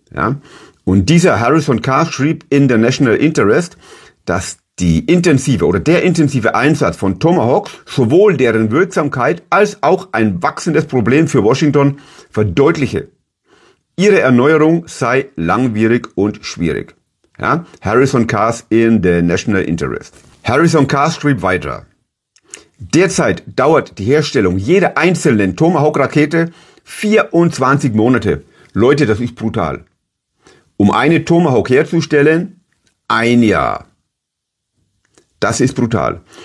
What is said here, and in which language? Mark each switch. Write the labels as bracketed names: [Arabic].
[German] Ja, und dieser Harrison Kass schrieb in der National Interest, dass der intensive Einsatz von Tomahawks sowohl deren Wirksamkeit als auch ein wachsendes Problem für Washington verdeutliche. Ihre Erneuerung sei langwierig und schwierig. Ja? [English] Harrison Kass in the National Interest. [German] Harrison Kass schrieb weiter. Derzeit dauert die Herstellung jeder einzelnen Tomahawk-Rakete 24 Monate. Leute, das ist brutal. Um eine Tomahawk herzustellen, ein Jahr. Das ist brutal.